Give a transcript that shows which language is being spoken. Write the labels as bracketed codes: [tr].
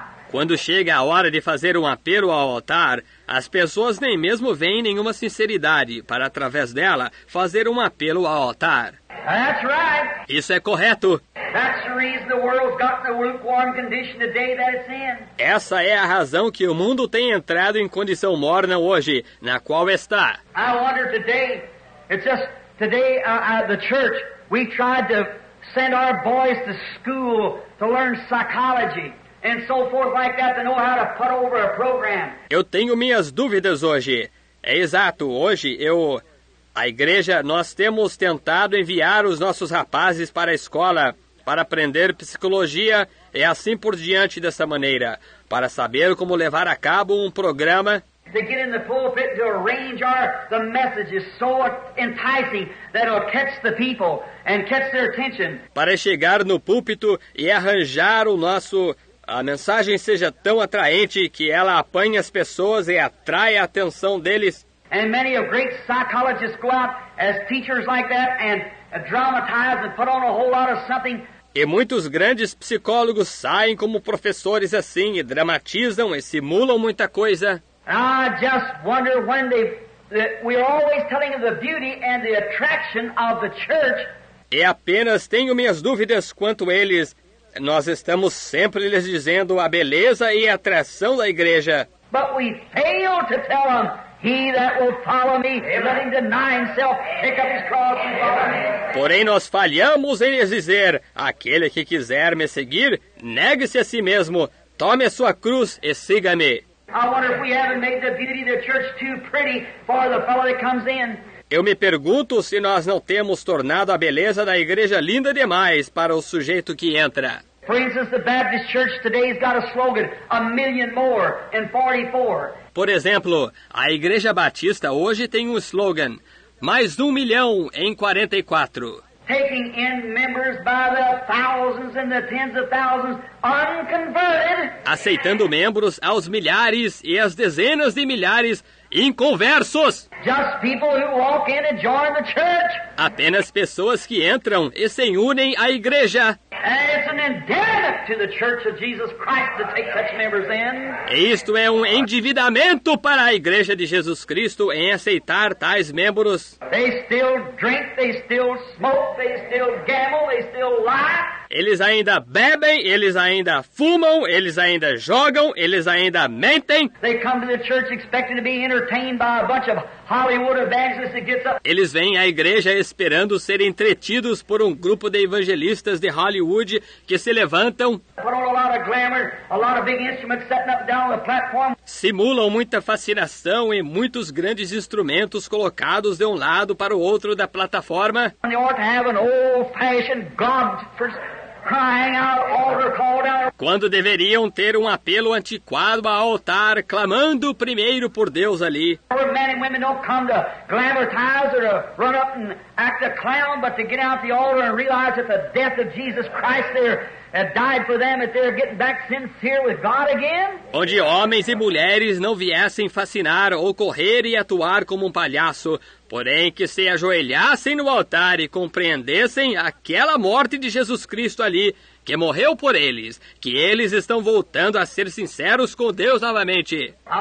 [pt] Quando chega a hora de fazer um apelo ao altar, as pessoas nem mesmo veem nenhuma sinceridade para, através dela, fazer um apelo ao altar. [en] That's right. [pt] Isso é correto. [en] That's the reason the world's got the lukewarm condition today that it's in. [pt] Essa é a razão que o mundo tem entrado em condição morna hoje, na qual está. [en] I wonder today, it's just today at the church, we tried to send our boys to school to learn psychology. And so forth like that to know how to put over a program. [pt] Eu tenho minhas dúvidas hoje. É exato, hoje eu... A igreja, nós temos tentado enviar os nossos rapazes para a escola para aprender psicologia e assim por diante dessa maneira, para saber como levar a cabo um programa... [en] To get in the pulpit to arrange the messages so enticing that it'll catch the people and catch their attention. [pt] Para chegar no púlpito e arranjar o nosso... A mensagem seja tão atraente que ela apanhe as pessoas e atrai a atenção deles. [en] And many of great psychologists go out as teachers like that and dramatize and put on a whole lot of something. [pt] E muitos grandes psicólogos saem como professores assim e dramatizam e simulam muita coisa. [en] I just wonder when we're always telling of the beauty and the attraction of the church. [pt] E apenas tenho minhas dúvidas quanto eles. Nós estamos sempre lhes dizendo a beleza e a atração da igreja. [en] But we fail to tell them He that will follow me, let him deny himself, pick up his cross and follow me. [pt] Porém, nós falhamos em dizer, aquele que quiser me seguir, negue-se a si mesmo, tome a sua cruz e siga-me. [en] I wonder if we haven't made the beauty of the church too pretty for the fellow that comes in. [pt] Eu me pergunto se nós não temos tornado a beleza da igreja linda demais para o sujeito que entra. [en] For instance, the Baptist church today has got a slogan, a million more in 44. [pt] Por exemplo, a Igreja Batista hoje tem um slogan, mais 1 milhão em 44. [en] Taking in members by the thousands and the tens of thousands, unconverted. [pt] Aceitando membros aos milhares e às dezenas de milhares inconversos. [en] Just people who walk in and join the church. [pt] Apenas pessoas que entram e se unem à igreja. [en] And it's an indebtedness to the church of Jesus Christ to take such members in. [pt] Isto é um endividamento para a igreja de Jesus Cristo em aceitar tais membros. [en] They still drink, they still smoke, they still gamble, they still lie. [pt] Eles ainda bebem, eles ainda fumam, eles ainda jogam, eles ainda mentem. [en] They come to the church expecting to be entertained by a bunch of Hollywood evangelists that gets up. [pt] Eles vêm à igreja esperando ser entretidos por um grupo de evangelistas de Hollywood que se levantam. [en] Put on a lot of glamour, a lot of big instruments setting up down on the platform. [pt] Simulam muita fascinação e muitos grandes instrumentos colocados de um lado para o outro da plataforma. [en] And they ought to have an old-fashioned God for crying out, altar called out. [pt] Quando deveriam ter um apelo antiquado ao altar, clamando primeiro por Deus ali. [en] Men and women don't come to glamorize or to run up and act a clown, but to get out the altar and realize that the death of Jesus Christ there had died for them, that they're getting back sincere with God again. [pt] Onde homens e mulheres não viessem fascinar ou correr e atuar como um palhaço, porém que se ajoelhassem no altar e compreendessem aquela morte de Jesus Cristo ali, que morreu por eles, que eles estão voltando a ser sinceros com Deus novamente.